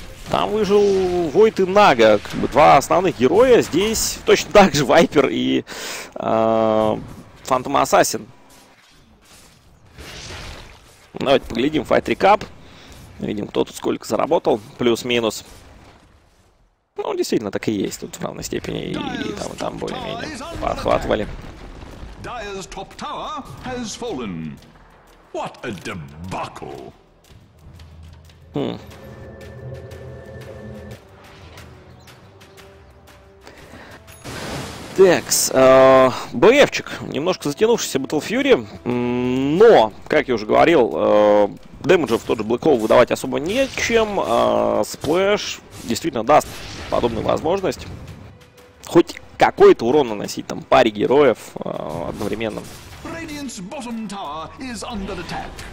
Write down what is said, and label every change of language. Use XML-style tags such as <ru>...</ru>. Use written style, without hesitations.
<ru>Там выжил Войд и Нага, как бы два основных героя, здесь точно так же Вайпер и Фантом Ассасин. Давайте поглядим, Fight Recap, видим, кто тут сколько заработал, плюс-минус. Ну, действительно, так и есть, тут в равной степени и там, и там более-менее подхватывали.</ru> <en>Dire's top tower has fallen. What a debacle.</en> <ru>Такс, БФчик, немножко затянувшийся Battle Fury, но, как я уже говорил, демеджа в тот же Black Hole выдавать особо нечем, сплэш действительно даст подобную возможность хоть какой-то урон наносить, там, паре героев одновременно.</ru> <en>Radiant's bottom tower is under attack.</en>